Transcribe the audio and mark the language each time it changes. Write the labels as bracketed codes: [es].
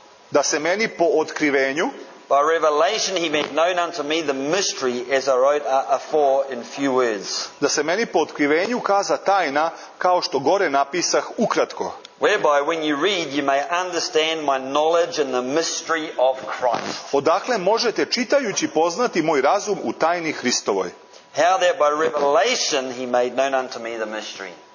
[sr] Da se meni po otkrivenju. [en] By revelation he made known unto me the mystery as I wrote afore in few words. [sr] Da se meni po otkrivenju kaza tajna kao što gore napisah ukratko. [en] Whereby when you read you may understand my knowledge and the mystery of Christ. [sr] Odakle možete čitajući poznati moj razum u tajni Hristovoj. [en] How that by revelation he made known unto me the mystery.